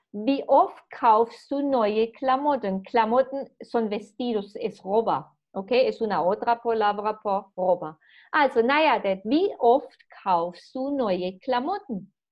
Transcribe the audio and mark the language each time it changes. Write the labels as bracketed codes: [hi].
[de] Wie oft kaufst du neue Klamotten? [es] Klamotten son vestidos, es ropa. Okay, es una otra palabra por ropa. [de] Also, naja, wie oft kaufst du neue Klamotten?